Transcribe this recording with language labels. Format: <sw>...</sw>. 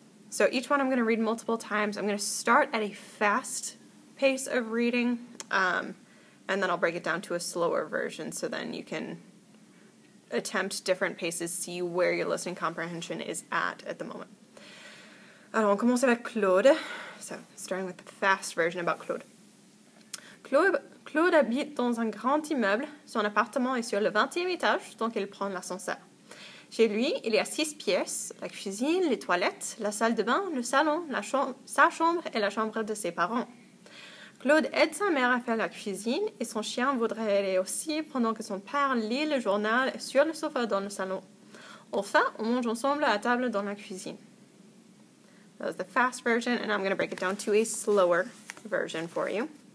<en>So each one I'm going to read multiple times. I'm going to start at a fast pace of reading, and then I'll break it down to a slower version so then you can attempt different paces, see where your listening comprehension is at the moment.</en> <fr>Alors, on commence avec Claude.</fr> <en>So starting with the fast version about Claude.</en> <fr>Claude habite dans un grand immeuble. Son appartement est sur le 20e étage, donc il prend l'ascenseur. Chez lui, il y a 6 pièces, la cuisine, les toilettes, la salle de bain, le salon, sa chambre et la chambre de ses parents. Claude aide sa mère à faire la cuisine et son chien voudrait aller aussi pendant que son père lit le journal sur le sofa dans le salon. Enfin, on mange ensemble à table dans la cuisine.</fr> <en>That was the fast version and I'm going to break it down to a slower version for you.</en>